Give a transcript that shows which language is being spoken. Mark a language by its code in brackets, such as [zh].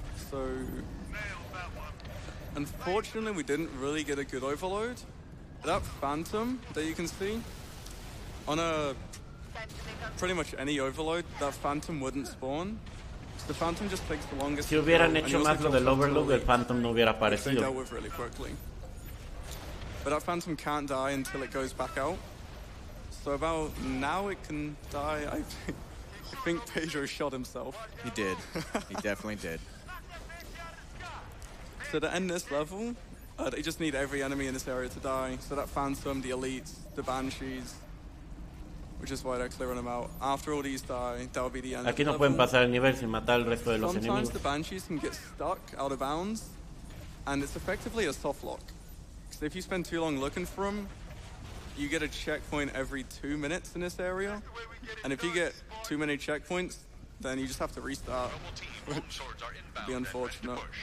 [en] So, unfortunately, we didn't really get a good overload. That phantom that you can see, on a pretty much any overload, that phantom wouldn't spawn. The phantom just takes the longest. [es] Si hubieran hecho más lo del overload, el phantom no hubiera aparecido. [en] But that phantom can't die until it goes back out. So about now it can die. I think Pedro shot himself. He did. He definitely did. So to end this level, they just need every enemy in this area to die. So that phantom, the elites, the banshees. which is why they're clearing them out. After all these die, that'll be the end. [es] Aquí no pueden pasar el nivel sin matar al resto de los enemigos. [en] Sometimes the banshees can get stuck out of bounds, and it's effectively a soft lock. Because if you spend too long looking for them, you get a checkpoint every 2 minutes in this area, and if you get too many checkpoints, then you just have to restart, which would be unfortunate.